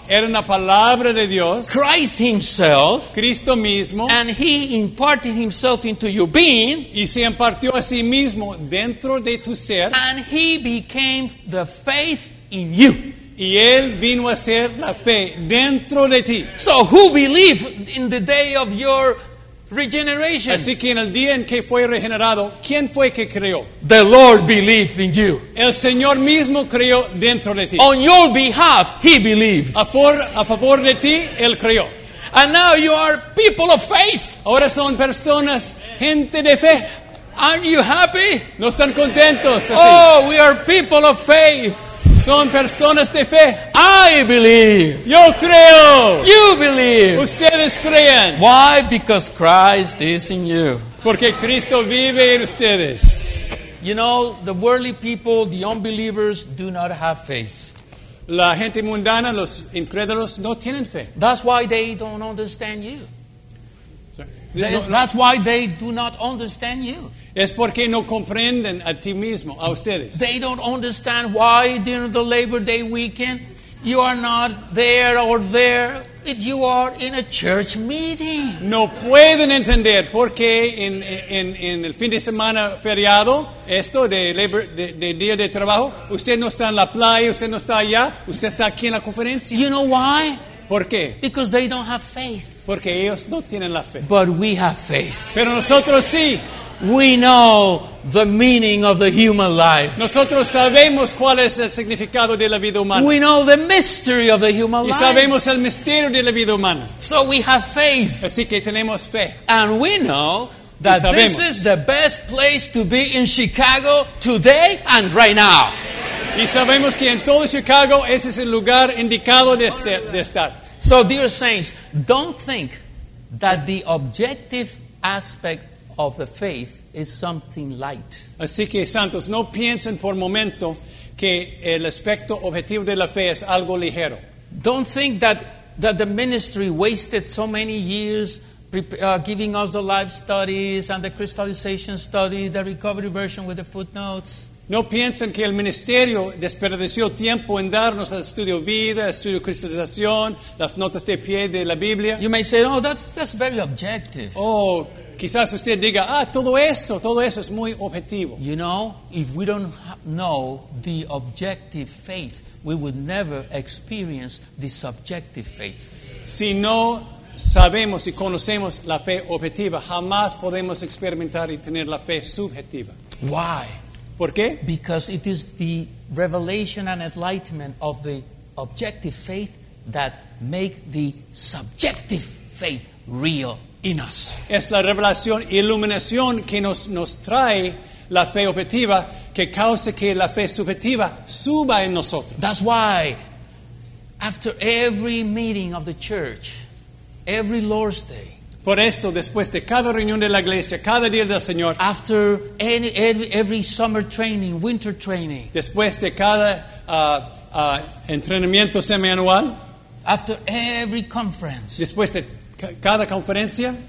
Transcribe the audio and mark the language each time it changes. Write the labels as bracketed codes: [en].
[es] Era una palabra de Dios. [en] Christ himself. [es] Cristo mismo. [en] And he imparted himself into your being. [es] Y se impartió a sí mismo dentro de tu ser. [en] And he became the faith in you. [es] Y él vino a ser la fe dentro de ti. [en] So who believed in the day of your regeneration? [es] Así que en el día en que fue regenerado, ¿quién fue que creyó? [en] The Lord believed in you. [es] El Señor mismo creyó dentro de ti. [en] On your behalf, he believed. [es] A favor de ti, él creyó. [en] And now you are people of faith. [es] Ahora son personas, gente de fe. [en] Aren't you happy? [es] ¿No están contentos? Así. [en] Oh, we are people of faith. [es] Son personas de fe. [en] I believe. [es] Yo creo. [en] You believe. [es] Ustedes creen. [en] Why? Because Christ is in you. [es] Porque Cristo vive en ustedes. [en] You know, the worldly people, the unbelievers, do not have faith. [es] La gente mundana, los incrédulos, no tienen fe. [en] That's why they don't understand you. That's why they do not understand you. [es] Es porque no comprenden a ti mismo, a ustedes. [en] They don't understand why during the Labor Day weekend you are not there or there if you are in a church meeting. [es] No pueden entender por qué en el fin de semana feriado, esto de labor, de día de trabajo, usted no está en la playa, usted no está allá, usted está aquí en la conferencia. [en] You know why? [es] ¿Por qué? [en] Because they don't have faith. [es] Porque ellos no tienen la fe. [en] But we have faith. [es] Pero nosotros sí. [en] We know the meaning of the human life. [es] Nosotros sabemos cuál es el significado de la vida humana. [en] We know the mystery of the human life. [es] Y sabemos el misterio de la vida humana. [en] So we have faith. [es] Así que tenemos fe. [en] And we know that this is the best place to be in Chicago today and right now. [es] Y sabemos que en todo Chicago ese es el lugar indicado de estar. [en] So, dear saints, don't think that the objective aspect of the faith is something light. [es] Así que, santos, no piensen por momento que el aspecto objetivo de la fe es algo ligero. [en] Don't think that the ministry wasted so many years giving us the life studies and the crystallization study, the recovery version with the footnotes. [es] No piensen que el ministerio desperdició tiempo en darnos el estudio vida, el estudio cristalización, las notas de pie de la Biblia. [en] You may say, oh, that's very objective. [es] Oh, quizás usted diga, todo eso es muy objetivo. [en] You know, if we don't know the objective faith, we would never experience the subjective faith. [es] Si no sabemos y conocemos la fe objetiva, jamás podemos experimentar y tener la fe subjetiva. [en] Why? [es] ¿Por qué? [en] Because it is the revelation and enlightenment of the objective faith that make the subjective faith real in us. [es] Es la revelación y iluminación que nos trae la fe objetiva que causa que la fe subjetiva suba en nosotros. [en] That's why after every meeting of the church, every Lord's Day, [es] por esto, después de cada reunión de la iglesia, cada día del Señor. [en] After every summer training, winter training. [es] Después de cada entrenamiento semianual. [en] After every conference. [es] Después de cada conferencia.